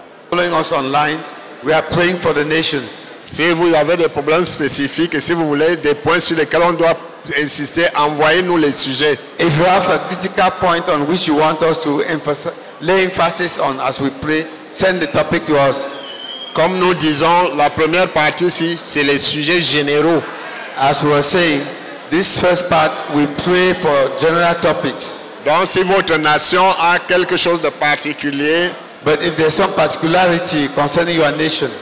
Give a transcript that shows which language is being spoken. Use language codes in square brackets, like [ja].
[en] Following us online, we are praying for the nations. [fr] Si vous avez des problèmes spécifiques et si vous voulez des points sur lesquels on doit insister, envoyez-nous les sujets. [en] If you have a critical point on which you want us to lay emphasis on as we pray, send the topic to us. [fr] Comme nous disons, la première partie ici, c'est les sujets généraux. [en] As we were saying, this first part, we pray for general topics. [fr] Donc, si votre nation a quelque chose de particulier. [en] But if there's some particularity concerning your nation,